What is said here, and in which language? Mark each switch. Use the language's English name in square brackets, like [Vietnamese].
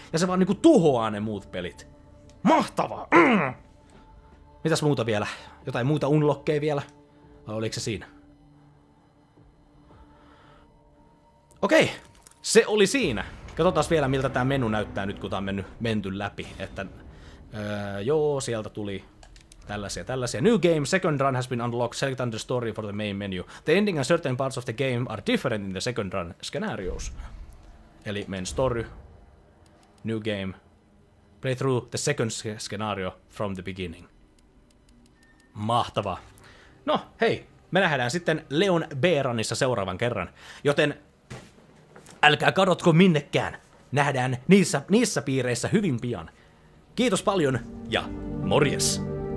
[Finnish] Ja se vaan niinku tuhoaa ne muut pelit. Mahtavaa! Mitäs muuta vielä? Jotain muuta unlockkeja vielä? Vai oliko se siinä? Okei, se oli siinä. Katsotaan vielä, miltä tämä menu näyttää nyt, kun tämä on menty läpi. Että, joo, sieltä tuli tällaisia. [English] New game, second run has been unlocked, select under story for the main menu. The ending and certain parts of the game are different in the second run scenarios. Eli main story, new game, play through the second scenario from the beginning. [Finnish] Mahtavaa. No, hei, me nähdään sitten Leon B-runissa seuraavan kerran, joten älkää kadotko minnekään. Nähdään niissä piireissä hyvin pian. Kiitos paljon ja morjes!